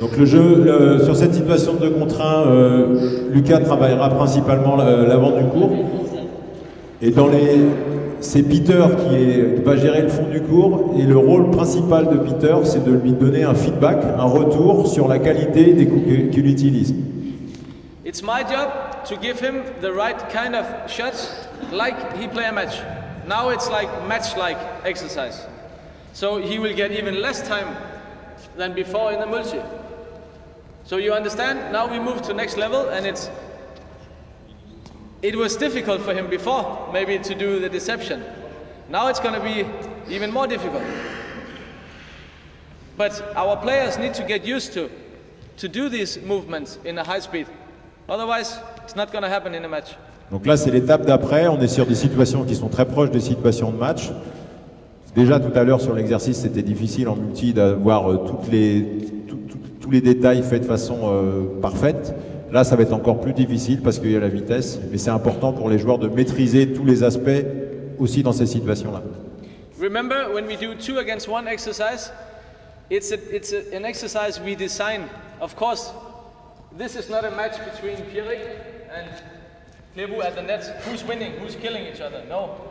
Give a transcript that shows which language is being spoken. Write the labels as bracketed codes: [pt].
[fr] Donc le jeu, le, sur cette situation de 2 contre 1, Lucas travaillera principalement l'avant du court. Et dans les, c'est Peter qui va gérer le fond du court. Et le rôle principal de Peter, c'est de lui donner un feedback, un retour sur la qualité des coups qu'il utilise. [en] It's my job to give him the right kind of shots like he play a match. Now it's like match-like exercise. So he will get even less time than before in the multi. So you understand? Now we move to next level and it's... It was difficult for him before, maybe to do the deception. Now it's gonna be even more difficult. But our players need to get used to do these movements in a high speed. Otherwise, it's not gonna happen in a match. [fr] Donc là, c'est l'étape d'après. On est sur des situations qui sont très proches des situations de match. Déjà, tout à l'heure, sur l'exercice, c'était difficile en multi d'avoir tous les détails faits de façon parfaite. Là, ça va être encore plus difficile parce qu'il y a la vitesse. Mais c'est important pour les joueurs de maîtriser tous les aspects aussi dans ces situations-là. [en] Remember, when we do 2 against 1 exercise, it's an exercise we design. Of course, this is not a match between Pierrick and Nebu at the net, who's winning, who's killing each other, no.